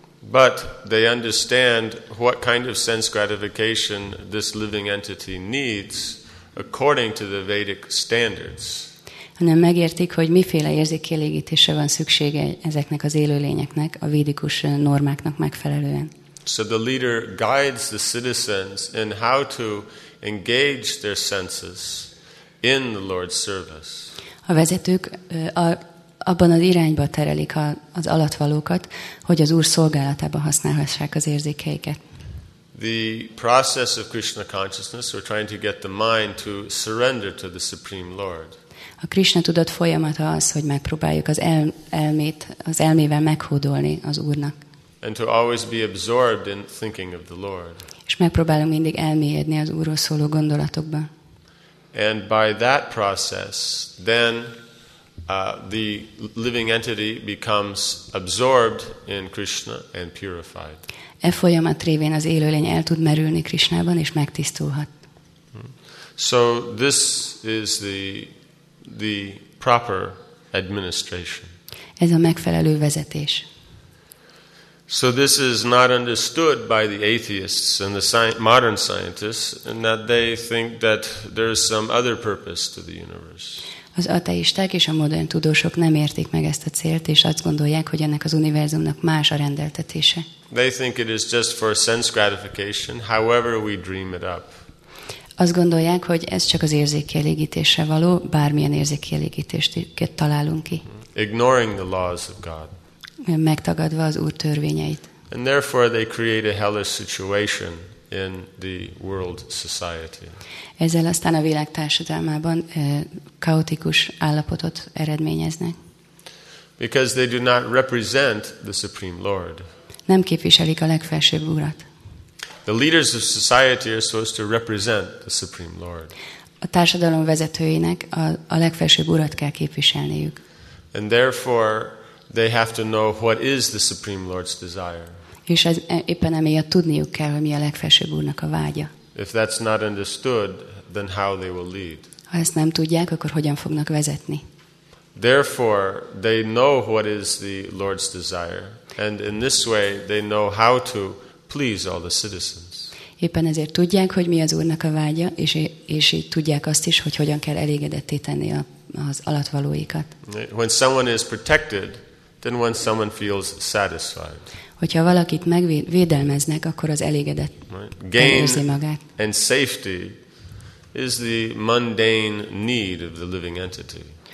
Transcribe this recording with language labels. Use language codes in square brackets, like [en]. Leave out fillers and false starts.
[en] But they understand what kind of sense gratification this living entity needs according to the Vedic standards. [hu] Hanem megértik, hogy miféle érzékielégítésre van szüksége ezeknek az élőlényeknek a védikus normáknak megfelelően. [en] So the leader guides the citizens in how to engage their senses in the Lord's service. A [hu] A vezetők abban az irányba terelik az alattvalókat, hogy az Úr szolgálatába használhassák az érzékeiket. [en] The process of Krishna consciousness, we're trying to get the mind to surrender to the Supreme Lord. [hu] A Krishna tudat folyamata az, hogy megpróbáljuk az elmét, az elmével meghódolni az Úrnak. [en] And to always be absorbed in thinking of the Lord. [hu] És megpróbálunk mindig elmélyedni az Úrról szóló gondolatokba. [en] And by that process, then the living entity becomes absorbed in Krishna and purified. [hu] E folyamat révén az élőlény el tud merülni Krishnában és megtisztulhat. [en] So this is the proper administration. [hu] Ez a megfelelő vezetés. [en] So this is not understood by the atheists and the modern scientists, and that they think that there is some other purpose to the universe. [hu] Az ateisták és a modern tudósok nem értik meg ezt a célt, és azt gondolják, hogy ennek az univerzumnak más a rendeltetése. [en] They think it is just for sense gratification, however we dream it up. [hu] Azt gondolják, hogy ez csak az érzékkielégítésre való, bármilyen érzékkielégítést találunk ki. [en] Ignoring the laws of God. [hu] Megtagadva az Úr törvényeit. [en] And therefore they create a hellish situation in the world society. [hu] Ezzel aztán a világ társadalmában kaotikus állapotot eredményeznek. [en] Because they do not represent the Supreme Lord. [hu] Nem képviselik a legfelsőbb Urat. [en] The leaders of society are supposed to represent the Supreme Lord. [hu] A társadalom vezetőinek a legfelsőbb Urat kell képviselniük. [en] And therefore they have to know what is the Supreme Lord's desire. [hu] És ez éppen emiatt tudniuk kell, hogy mi a legfelsőbb Úrnak a vágya. [en] If that's not understood, then how they will lead. [hu] Ha ezt nem tudják, akkor hogyan fognak vezetni? [en] Therefore, they know what is the Lord's desire, and in this way they know how to please all the citizens. [hu] Éppen ezért tudják, hogy mi az Úrnak a vágya, és így tudják azt is, hogy hogyan kell elégedetté tenni az alattvalóikat. [en] When someone is protected, then when someone feels satisfied. [hu] Hogyha valakit megvédelmeznek, akkor az elégedett érzi magát. [en] And safety is the mundane need of the living entity.